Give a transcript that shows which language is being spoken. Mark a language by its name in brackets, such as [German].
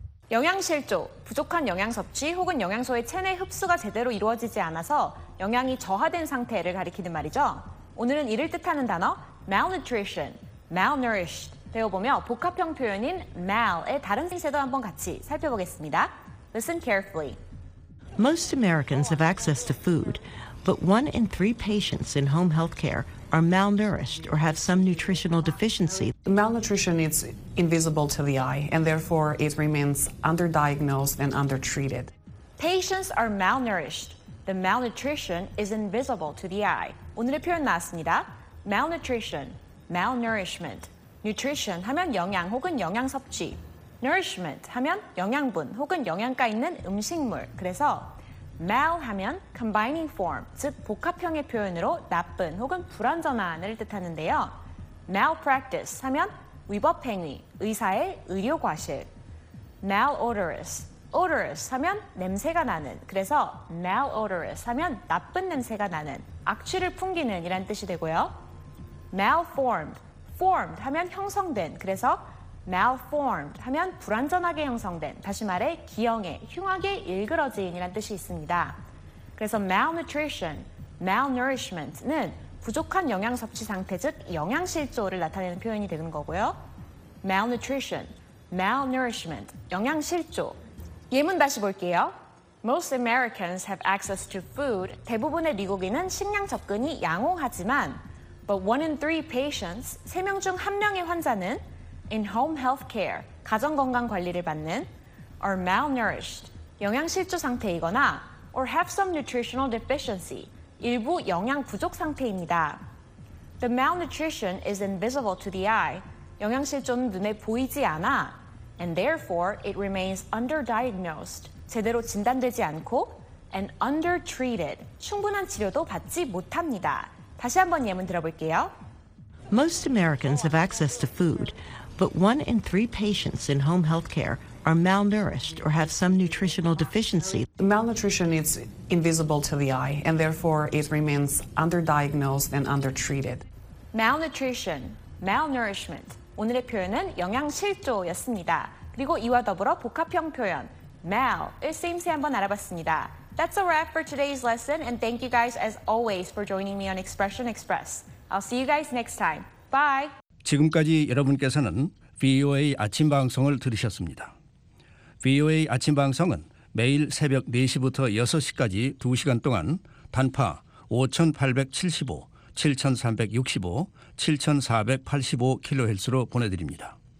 [Korean] 영양실조, 부족한 영양 섭취 혹은 영양소의 체내 흡수가 제대로 이루어지지 않아서 영양이 저하된 상태를 가리키는 말이죠. 오늘은 이를 뜻하는 단어 [English] malnutrition, malnourished [Korean] 배워보며 복합형 표현인 mal의 다른 뜻에도 한번 같이 살펴보겠습니다. [English] Listen carefully. Most Americans have access to food. But one in three patients in home health care are malnourished or have some nutritional deficiency. Malnutrition is invisible to the eye, and therefore it remains underdiagnosed and undertreated. Patients are malnourished. The malnutrition is invisible to the eye. [Korean] 오늘의 표현 나왔습니다. [English] Malnutrition, malnourishment. Nutrition [Korean] 하면 영양 혹은 영양 섭취. [English] Nourishment [Korean] 하면 영양분 혹은 영양가 있는 음식물. 그래서 mal 하면 [English] combining form, [Korean] 즉 복합형의 표현으로 나쁜 혹은 불완전한을 뜻하는데요. malpractice 하면 위법행위, 의사의 의료과실. malodorous, odorous 하면 냄새가 나는, 그래서 malodorous 하면 나쁜 냄새가 나는, 악취를 풍기는 이란 뜻이 되고요. malformed, formed 하면 형성된, 그래서 malformed 하면 불완전하게 형성된, 다시 말해 기형에 흉하게 일그러진 이란 뜻이 있습니다. 그래서 malnutrition, malnourishment는 부족한 영양 섭취 상태, 즉 영양실조를 나타내는 표현이 되는 거고요. malnutrition, malnourishment, 영양실조. 예문 다시 볼게요. [English] Most Americans have access to food. [Korean] 대부분의 미국인은 식량 접근이 양호하지만 [English] but one in three patients, [Korean] 세 명 중 한 명의 환자는 [English] in home health care, [Korean] 가정건강 관리를 받는, [English] are malnourished, [Korean] 영양실조 상태이거나, [English] or have some nutritional deficiency, [Korean] 일부 영양 부족 상태입니다. [English] The malnutrition is invisible to the eye, [Korean] 영양실조는 눈에 보이지 않아, [English] and therefore it remains underdiagnosed, [Korean] 제대로 진단되지 않고, [English] and undertreated, [Korean] 충분한 치료도 받지 못합니다. 다시 한번 예문 들어볼게요. [English] Most Americans have access to food, but one in three patients in home health care are malnourished or have some nutritional deficiency. Malnutrition is invisible to the eye, and therefore it remains underdiagnosed and undertreated. Malnutrition, malnourishment. [Korean] 오늘의 표현은 영양실조였습니다. 그리고 이와 더불어 복합형 표현, mal을 쓰임새 한번 알아봤습니다. [English] That's a wrap for today's lesson, and thank you guys as always for joining me on Expression Express. I'll see you guys next time. Bye! [Korean] 지금까지 여러분께서는 VOA 아침 방송을 들으셨습니다. VOA 아침 방송은 매일 새벽 4시부터 6시까지 2시간 동안 단파 5,875, 7,365, 7,485kHz로 보내드립니다.